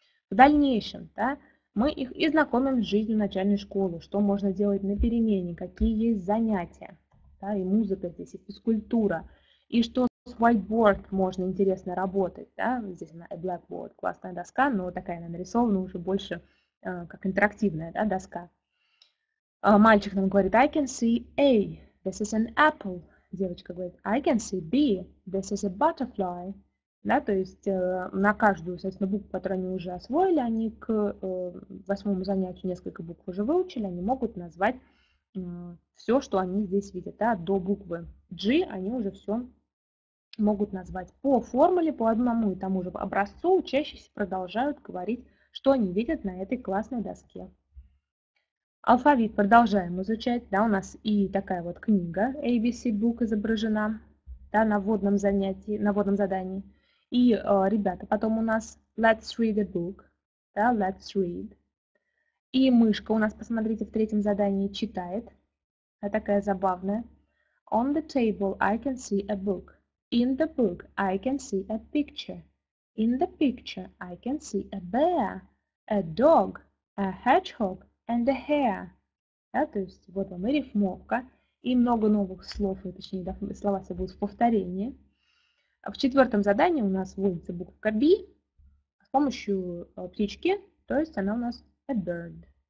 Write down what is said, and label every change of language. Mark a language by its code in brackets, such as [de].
[ru] В дальнейшем, да, мы их и знакомим с жизнью начальной школы, что можно делать на перемене, какие есть занятия, да, и музыка здесь, и физкультура, и что с whiteboard можно интересно работать, да, здесь она blackboard, классная доска, но такая она нарисована уже больше как интерактивная, да, доска. Мальчик нам говорит, [en] I can see A, this is an apple. [ru] Девочка говорит, [en] I can see B, this is a butterfly. [ru] Да, то есть на каждую, соответственно, букву, которую они уже освоили, они к восьмому занятию несколько букв уже выучили, они могут назвать все, что они здесь видят. Да, до буквы G они уже все могут назвать. По формуле, по одному и тому же образцу учащиеся продолжают говорить, что они видят на этой классной доске. Алфавит продолжаем изучать, да, у нас и такая вот книга ABC Book изображена, да, на вводном занятии, на вводном задании. И ребята потом у нас [en] Let's read a book, [ru] да, [en] Let's read. [ru] И мышка у нас, посмотрите, в третьем задании читает, да, такая забавная. [en] On the table I can see a book. In the book I can see a picture. In the picture I can see a bear, a dog, a hedgehog. And the hair. [ru] Да, то есть вот вам и рифмовка, и много новых слов, и, точнее, слова все будут в повторении. В четвертом задании у нас вводится буква B с помощью птички, то есть она у нас a bird.